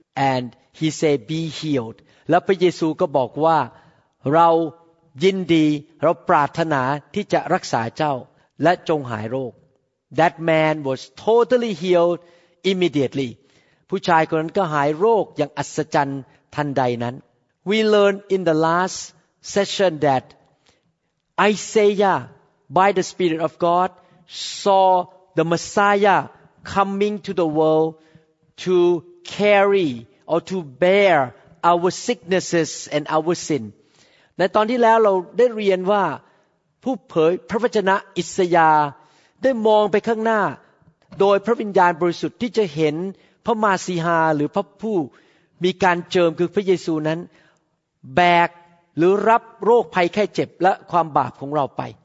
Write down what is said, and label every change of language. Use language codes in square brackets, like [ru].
[en] And he said, "Be healed." [th] แล้วพระเยซูก็บอกว่าเรายินดีเราปรารถนาที่จะรักษาเจ้าและจงหายโรค [en] That man was totally healed immediately. [th] ผู้ชายคนนั้นก็หายโรคอย่างอัศจรรย์ทันใดนั้น [en] We learned in the last session that Isaiah, by the Spirit of God, saw the Messiah. Coming to the world to carry or to bear our sicknesses and our sin. [th] ในตอนที่แล้วเราได้เรียนว่าผู้เผยพระวจนะอิสยาห์ได้มองไปข้างหน้าโดยพระวิญญาณบริสุทธิ์ที่จะเห็นพระมาสีฮาหรือพระผู้มีการเจิมคือพระเยซูนั้นแบกหรือรับโรคภัยแค่เจ็บและความบาปของเราไป